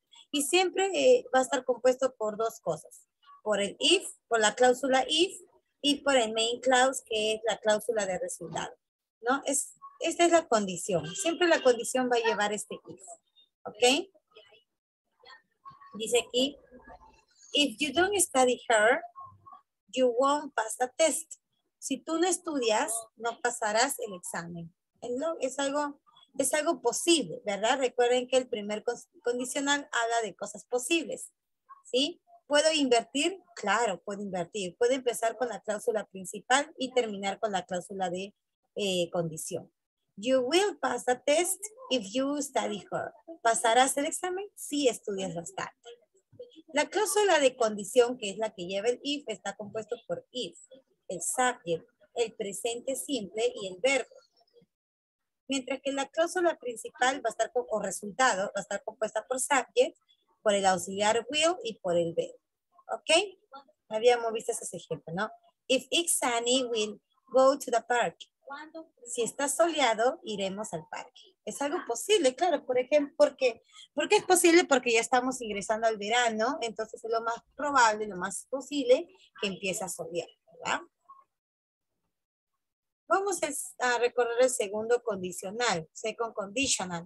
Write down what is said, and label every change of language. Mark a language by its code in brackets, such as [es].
[es] Y siempre va a estar compuesto por dos cosas. Por el if, por la cláusula if, y por el main clause, que es la cláusula de resultado, ¿no? Esta es la condición. Siempre la condición va a llevar este if, ¿ok? Dice aquí, [en] if you don't study hard, you won't pass the test. [es] Si tú no estudias, no pasarás el examen. ¿No? Es algo posible, ¿verdad? Recuerden que el primer condicional habla de cosas posibles, ¿sí? ¿Puedo invertir? Claro, puedo invertir. Puedo empezar con la cláusula principal y terminar con la cláusula de condición. [en] You will pass the test if you study hard. [es] ¿Pasarás el examen? Si estudias bastante. La cláusula de condición, que es la que lleva el if, está compuesto por if, el subject, el presente simple y el verbo. Mientras que la cláusula principal va a estar con, o resultado, va a estar compuesta por subject, por el auxiliar will y por el verbo. ¿Ok? Habíamos visto ese ejemplo, ¿no? [en] If it's sunny, we'll go to the park. [es] Si está soleado, iremos al parque. Es algo posible, claro, por ejemplo, porque, porque es posible porque ya estamos ingresando al verano, entonces es lo más probable, lo más posible que empiece a solear, ¿verdad? Vamos a recorrer el segundo condicional, second conditional.